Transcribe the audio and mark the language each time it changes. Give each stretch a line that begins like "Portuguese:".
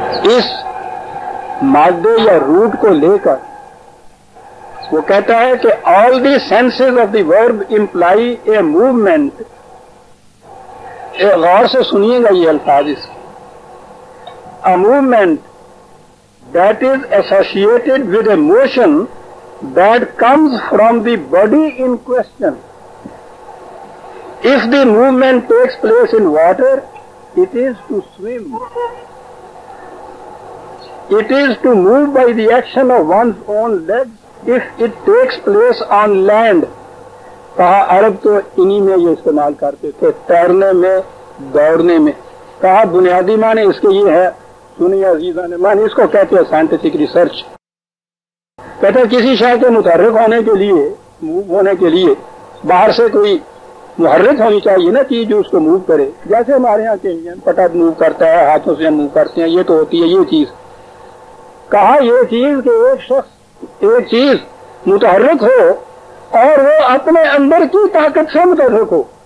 Urdu: اس مادے یا روٹ کو لے کر وہ کہتا ہے کہ
English: All the senses of the verb employ a movement.
Urdu: غور سے سنیے گا یہ الفاظ، اس کو
English: A movement that is associated with a motion that comes from the body in question. If the movement takes place in water, it is to swim. It is to move by the action of one's own legs. If it takes place on land,
Urdu: کہا عرب تو انہی میں یہ استعمال کرتے تھے، تیرنے میں، دوڑنے میں۔ کہا بنیادی معنی اس کے یہ ہے، سنی عزیزان مان، اس کو کہتے ہیں سائنٹیفک ریسرچ۔ کہتا ہے کسی شے کے متحرک ہونے کے لیے، موو ہونے کے لیے باہر سے کوئی محرک ہونی چاہیے نا، چیز جو اس کو موو کرے، جیسے ہمارے یہاں کے پٹا موو کرتا ہے، ہاتھوں سے ہم موو کرتے ہیں، یہ تو ہوتی ہے یہ چیز۔ کہا یہ چیز کہ ایک شخص، ایک چیز متحرک ہو اور وہ اپنے اندر کی طاقت سے متحرک ہو،